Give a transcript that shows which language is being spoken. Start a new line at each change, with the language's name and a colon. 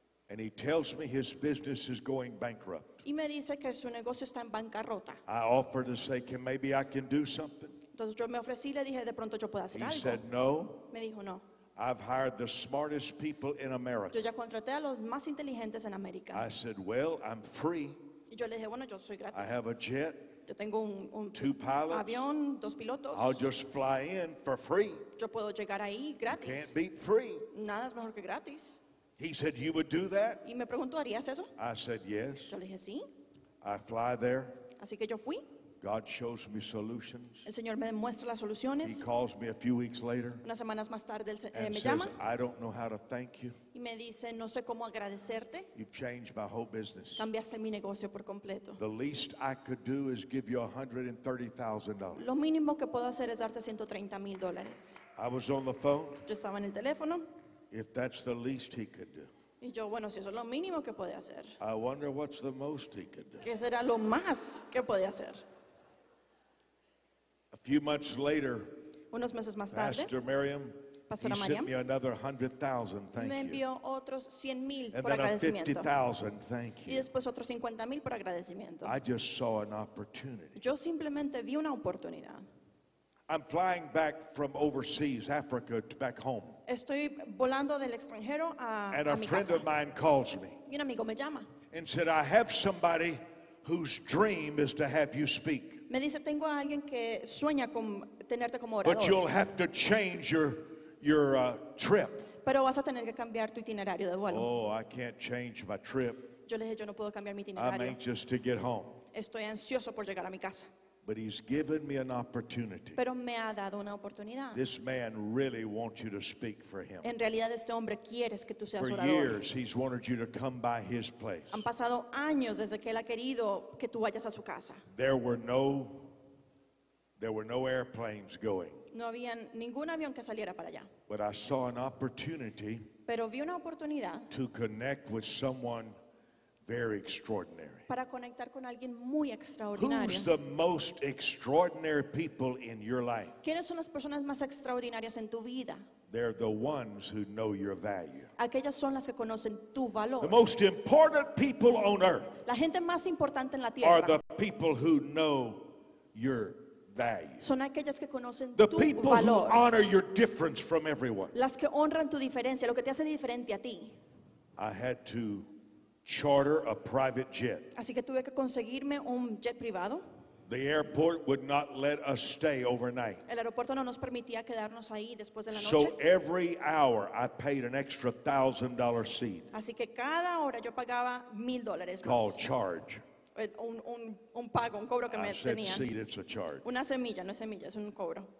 English: And he tells me his business is going bankrupt.
Spanish: Y me dice que su negocio está en bancarrota.
English: I offer to say, can maybe I can do something?
Spanish: Entonces yo me ofrecí y le dije, de pronto yo puedo hacer
English: he
Spanish: algo.
English: He said no.
Spanish: Me dijo no.
English: I've hired the smartest people in America.
Spanish: Yo ya contraté a los más inteligentes en América.
English: I said, well, I'm free.
Spanish: Y yo le dije, bueno, yo soy gratis.
English: I have a jet.
Spanish: Yo tengo
English: two pilots.
Spanish: Avión, dos pilotos.
English: I'll just fly in for free.
Spanish: Yo puedo llegar ahí gratis.
English: Can't beat free.
Spanish: Nada es mejor que gratis.
English: He said, you would do that?
Spanish: Y me preguntó, ¿harías eso?
English: I said, yes.
Spanish: Yo le dije, sí.
English: I fly there.
Spanish: Así que yo fui.
English: God shows me solutions.
Spanish: El Señor me demuestra las soluciones.
English: He calls me a few weeks later.
Spanish: Unas semanas más tarde él me
English: says,
Spanish: llama.
English: I don't know how to thank you.
Spanish: Y me dice, no sé cómo agradecerte.
English: You've changed my whole business.
Spanish: Cambiaste mi negocio por completo.
English: The least I could do is give you $130,000.
Spanish: Lo mínimo que puedo hacer es darte $130,000.
English: I was on the phone.
Spanish: Yo estaba en el teléfono.
English: If that's the least he could do.
Spanish: Y yo, bueno, si eso es lo mínimo que puede hacer.
English: I wonder what's the most he could do.
Spanish: ¿Qué será lo más que puede hacer?
English: Few months later,
Spanish: unos meses más tarde,
English: Pastor Miriam,
Spanish: Pastora
English: he sent me another 100,000, thank you.
Spanish: Me envió otros 100,000
English: and
Spanish: por
English: then 50,000, thank you.
Spanish: Y después otros 50,000 por agradecimiento.
English: I just saw an opportunity.
Spanish: Yo simplemente vi una oportunidad.
English: I'm flying back from overseas, Africa, back home.
Spanish: Estoy volando del extranjero a mi casa.
English: And a friend of mine calls me.
Spanish: Y un amigo me llama.
English: And said, I have somebody whose dream is to have you speak.
Spanish: Me dice, tengo a alguien que sueña con tenerte como orador.
English: But you'll have to change your trip.
Spanish: Pero vas a tener que cambiar tu itinerario de vuelo.
English: Oh, I can't change my trip.
Spanish: Yo le dije, yo no puedo cambiar mi itinerario.
English: I'm anxious to get home.
Spanish: Estoy ansioso por llegar a mi casa.
English: But he's given me an opportunity.
Spanish: Pero me ha dado una oportunidad.
English: This man really wants you to speak for him.
Spanish: En realidad este hombre quiere que tú seas orador.
English: For years he's wanted you to come by his place.
Spanish: Han pasado años desde que él ha querido que tú vayas a su casa.
English: There were no airplanes going.
Spanish: No había ningún avión que saliera para allá.
English: But I saw an opportunity.
Spanish: Pero vi una oportunidad.
English: To connect with someone very extraordinary.
Spanish: Para conectar con alguien muy extraordinario.
English: Who's the most extraordinary people in your life?
Spanish: ¿Quiénes son las personas más extraordinarias en tu vida?
English: They're the ones who know your value.
Spanish: Aquellas son las que conocen tu valor.
English: The most important people on earth.
Spanish: La gente más importante en la tierra.
English: Are the people who know your value.
Spanish: Son aquellas que conocen
English: the
Spanish: tu
English: people
Spanish: valor.
English: Who honor your difference from everyone.
Spanish: Las que honran tu diferencia, lo que te hace diferente a ti.
English: I had to charter a private jet.
Spanish: Así que tuve que conseguirme un jet privado.
English: The airport would not let us stay overnight.
Spanish: El aeropuerto no nos permitía quedarnos ahí después de la noche.
English: So every hour I paid an extra $1,000 seat.
Spanish: Así que cada hora yo pagaba $1,000 más.
English: Called charge.
Spanish: Un pago, un cobro que
English: I
Spanish: me
English: said
Spanish: tenían.
English: Seat, it's a charge.
Spanish: Una semilla, no es semilla, es un cobro.